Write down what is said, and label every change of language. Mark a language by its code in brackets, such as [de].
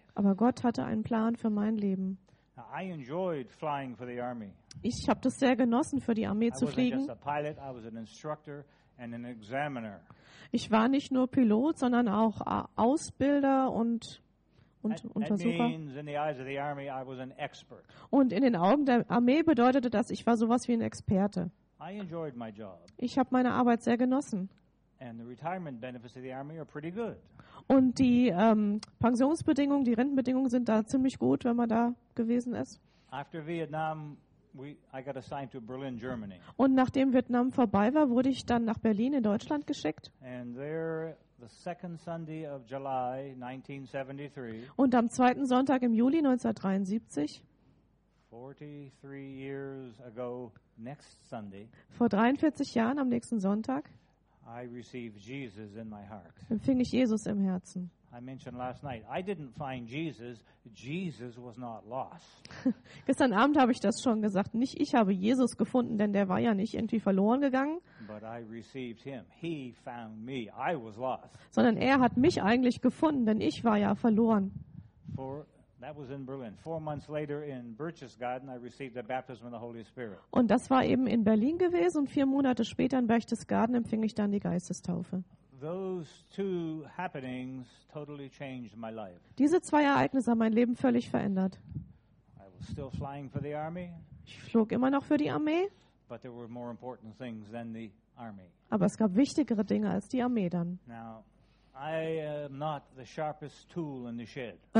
[de] Aber Gott hatte einen Plan für mein Leben. [en] I enjoyed flying for the army. [de] Ich habe das sehr genossen, für die Armee zu fliegen. [en] I wasn't just a pilot, I was an instructor and an examiner. [de] Ich war nicht nur Pilot, sondern auch Ausbilder und Untersucher. [en] That means in the eyes of the army, I was an expert. [de] Und in den Augen der Armee bedeutete das, ich war sowas wie ein Experte. [en] I enjoyed my job. [de] Ich habe meine Arbeit sehr genossen. [en] And the retirement benefits of the army are pretty good. [de] Und die Pensionsbedingungen, die Rentenbedingungen sind da ziemlich gut, wenn man da gewesen ist. [en] After Vietnam, I got assigned to Berlin, Germany. [de] Und nachdem Vietnam vorbei war, wurde ich dann nach Berlin in Deutschland geschickt. [en] And there, the second Sunday of July 1973. [de] Und am zweiten Sonntag im Juli 1973. [en] 43 years ago, next Sunday. [de] Vor 43 Jahren am nächsten Sonntag. [en] I received Jesus in my heart. [de] Empfing ich Jesus im Herzen. [en] I mentioned last night, I didn't find Jesus. Jesus was not lost. [de] Gestern Abend habe ich das schon gesagt. Nicht ich habe Jesus gefunden, denn der war ja nicht irgendwie verloren gegangen. [en] But I received him. He found me. I was lost. [de] Sondern er hat mich eigentlich gefunden, denn ich war ja verloren. [en] That was in Berlin. 4 months later in Berchtesgaden, I received the baptism of the Holy Spirit. [de] Und das war eben in Berlin gewesen und 4 Monate später in Berchtesgaden empfing ich dann die Geistestaufe. [en] Those two happenings totally changed my life. [de] Diese zwei Ereignisse haben mein Leben völlig verändert. [en] I was still flying for the army. [de] Ich flog immer noch für die Armee. [en] But there were more important things than the army. [de] Aber es gab wichtigere Dinge als die Armee dann. [en] Now, I am not the sharpest tool in the shed.